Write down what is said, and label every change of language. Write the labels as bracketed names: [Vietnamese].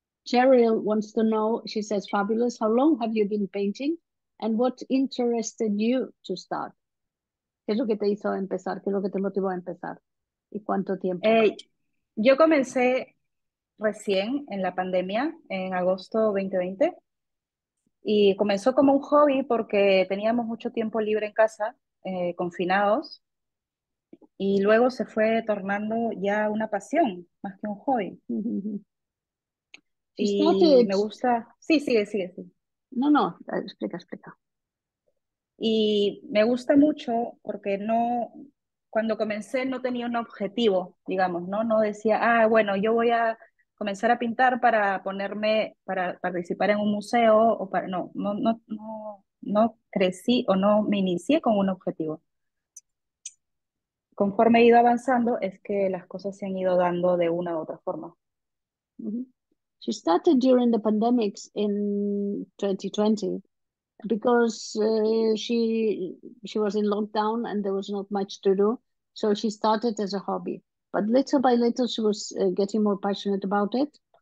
[English] Cheryl wants to know, she says, fabulous, how long have you been painting and what interested you to start? [Spanish] ¿Qué es lo que te hizo empezar? ¿Qué es lo que te motivó a empezar? ¿Y cuánto tiempo? Yo comencé recién en la pandemia, en agosto 2020. Y comenzó como un hobby porque teníamos mucho tiempo libre en casa, confinados. Y luego se fue tornando ya una pasión, más que un hobby. Mm-hmm. Me gusta... Sí, sigue, sigue, sigue. No, explica, explica. Y me gusta mucho porque no... Cuando comencé no tenía un objetivo, digamos, ¿no? No decía, bueno, yo voy a comenzar a pintar para ponerme, para participar en un museo, o para, no crecí o no me inicié con un objetivo. Conforme he ido avanzando, es que las cosas se han ido dando de una u otra forma. Mm-hmm. [English] She started during the pandemics in 2020 because she was in lockdown and there was not much to do, so she started as a hobby. But little by little, she was getting more passionate about it.